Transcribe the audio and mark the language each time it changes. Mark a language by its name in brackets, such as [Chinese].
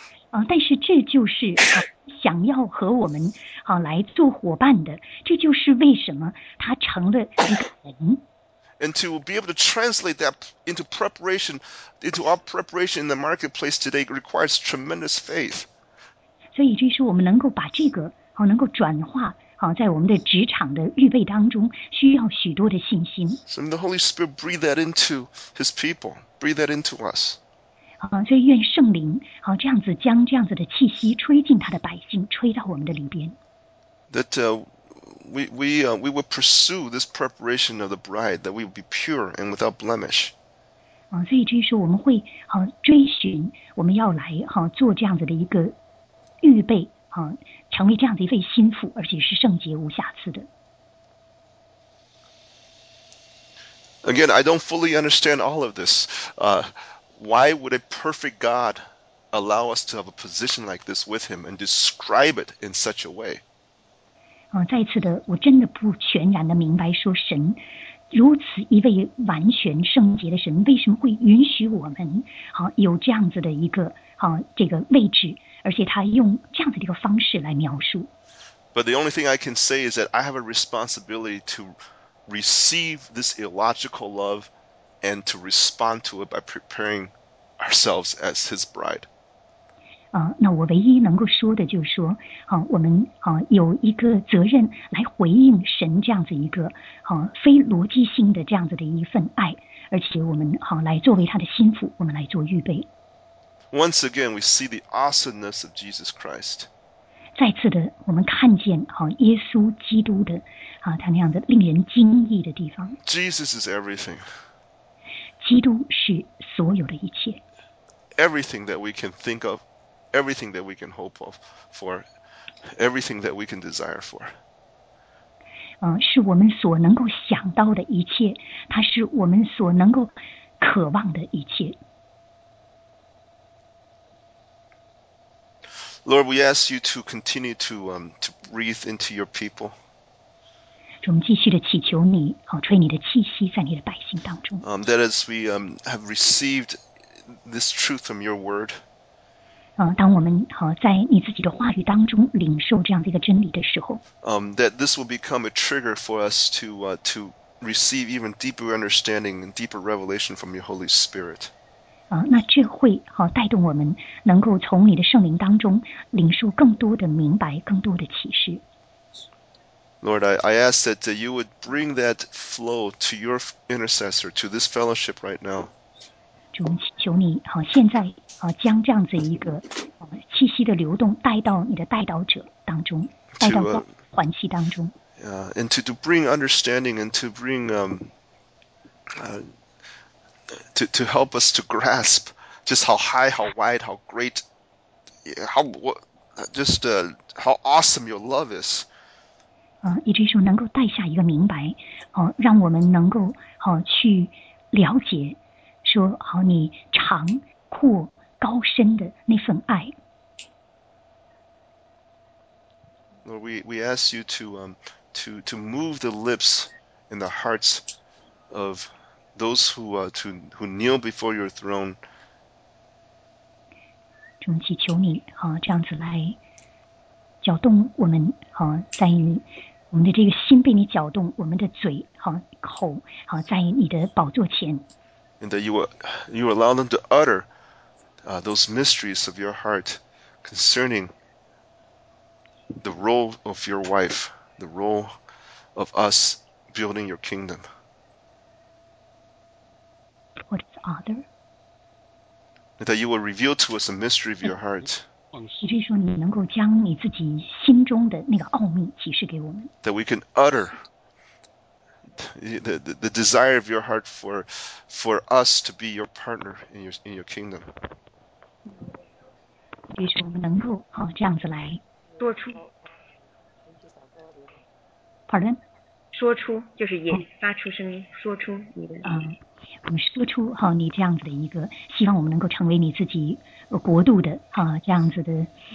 [Chinese] 啊、但是这就是、想要和我们啊、来做伙伴的，这就是为什么他成了一个人。 [English] And to be able to translate that into preparation, into our preparation in the marketplace today requires tremendous faith. [Chinese] 所以这是我们能够把这个好能够转化好在我们的职场的预备当中需要许多的信心。 [English] So the Holy Spirit breathe that into His people, breathe that into us. [Chinese] 好，所以愿圣灵好这样子将这样子的气息吹进他的百姓，吹到我们的里边。 [English] That we will pursue this preparation of the bride, that we will be pure and without blemish. [Chinese] 所以这是我们会好追寻，我们要来好做这样子的一个预备，好成为这样的一位心腹，而且是圣洁无瑕疵的。 [English] Again, I don't fully understand all of this. Why would a perfect God allow us to have a position like this with Him and describe it in such a way? [Chinese] 再次的，我真的不全然的明白，说神如此一位完全圣洁的神，为什么会允许我们好、有这样子的一个好、这个位置，而且他用这样子的一个方式来描述。 [English] But the only thing I can say is that I have a responsibility to receive this illogical love and to respond to it by preparing ourselves as His bride. [Chinese] 那我唯一能够说的就是说，我们有一个责任来回应神这样子一个非逻辑性的这样子的一份爱，而且我们来作为他的心腹，我们来做预备。 [English] Once again, we see the awesomeness of Jesus Christ. [Chinese] 再次的，我们看见耶稣基督的他那样的令人惊异的地方。 [English] Jesus is everything. [Chinese] 基督是所有的一切。 [English] Everything that we can think of. Everything that we can hope of for, everything that we can desire for. [Chinese] 是我们所能够想到的一切，它是我们所能够渴望的一切。 [English] Lord, we ask you to continue to breathe into your people. [Chinese] 我们继续的祈求你，吹你的气息在你的百姓当中。 [English] That as we have received this truth from your word. [Chinese] 当我们在你自己的话语当中领受这样的一个真理的时候 [English] that this will become a trigger for us to receive even deeper understanding and deeper revelation from your Holy Spirit. [Chinese] 那这会带动我们能够从你的圣灵当中领受更多的明白，更多的启示。 [English] Lord, I ask that you would bring that flow to your intercessor, to this fellowship right now. [Chinese] 主，求你现在将这样子一个气息的流动带到你的代祷者当中，带到团契当中。 [English] And to bring understanding and to bring to help us to grasp just how high, how wide, how great, how awesome your love is. [Chinese] 以至于说能够带下一个明白，让我们能够去了解。说好你长阔高深的那份爱。 [English] Lord, we ask you to move the lips and the hearts of those who kneel before your throne. [Chinese] 主，祈求你这样子来搅动我们在你我们的这个心被你搅动，我们的嘴口在你的宝座前。 [English] And that you allow them to utter those mysteries of your heart concerning the role of your wife, the role of us building your kingdom. What is other? And that you will reveal to us the mystery of your heart. [Chinese] 也就是说，你能够将你自己心中的那个奥秘启示给我们。 [English] That we can utter. The desire of your heart for us to be your partner in your kingdom. [Chinese] 就是我们能够这样子来说出 [English] ，pardon， [Chinese] 说出就是也发出声音，说出你的说出你这样子的一个希望，我们能够成为你自己国度的这样子的